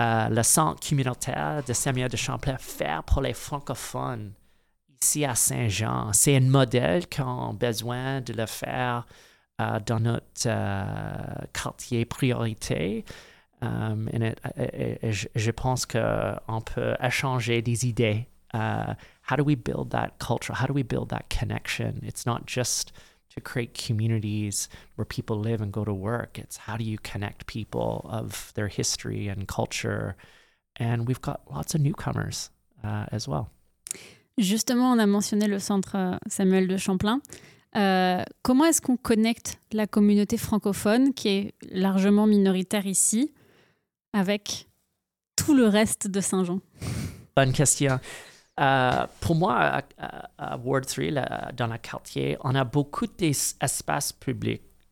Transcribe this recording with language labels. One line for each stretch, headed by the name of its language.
French: le centre communautaire de Samuel de Champlain faire pour les francophones ici à Saint-Jean. C'est un modèle qu'on a besoin de le faire dans notre quartier priorité. Je pense qu'on peut échanger des idées.
English: How do we build that culture? How do we build that connection? It's not just to create communities where people live and go to work. It's how do you connect people of their history and culture? And we've got lots of newcomers as well.
French: Justement, on a mentionné le centre Samuel de Champlain. Comment est-ce qu'on connecte la communauté francophone qui est largement minoritaire ici avec tout le reste de Saint-Jean? Bonne question. Pour moi, à Ward 3, dans le quartier, on a beaucoup d'espaces publics.